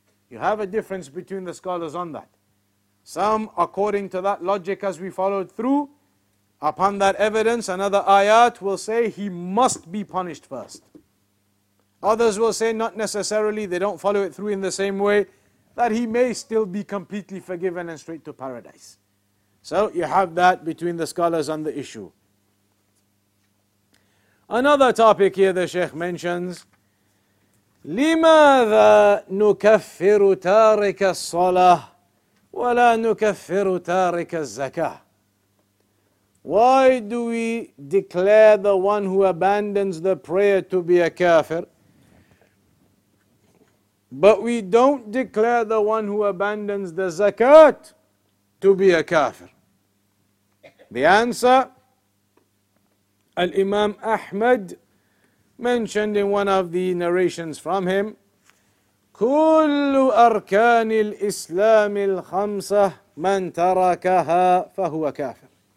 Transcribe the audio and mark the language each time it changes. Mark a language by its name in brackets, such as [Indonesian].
[English] You have a difference between the scholars on that. Some, according to that logic as we followed through, upon that evidence, another ayat will say he must be punished first. Others will say not necessarily, they don't follow it through in the same way, that he may still be completely forgiven and straight to paradise. So you have that between the scholars on the issue. Another topic here the Shaykh mentions, [Arabic] لماذا نكفر تارك الصلاة ولا نكفر تارك الزكاة? [English] Why do we declare the one who abandons the prayer to be a kafir, but we don't declare the one who abandons the zakat to be a kafir? The answer, Al-Imam Ahmad mentioned in one of the narrations from him, [Arabic] كُلُّ أَرْكَانِ الْإِسْلَامِ الْخَمْسَةِ مَنْ تَرَكَهَا فَهُوَ كَافِرٌ.